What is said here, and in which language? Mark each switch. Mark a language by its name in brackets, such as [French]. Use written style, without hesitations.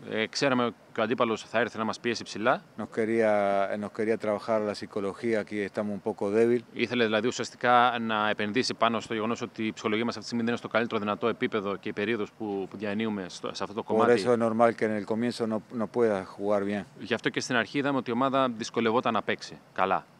[Greek] Ξέραμε ότι ο αντίπαλος θα έρθει να μας πιέσει ψηλά. [Spanish] Nos quería trabajar la psicología, aquí estamos un poco débil. [Greek] Ήθελε δηλαδή ουσιαστικά να επενδύσει πάνω στο γεγονός ότι η ψυχολογία μας αυτή τη στιγμή δεν είναι στο καλύτερο δυνατό επίπεδο και η περίοδος που διανύουμε σε αυτό το κομμάτι. [Spanish] Por eso es normal que en el comienzo no pueda jugar bien. [Greek] Γι' αυτό και στην αρχή είδαμε ότι η ομάδα δυσκολευόταν να παίξει καλά.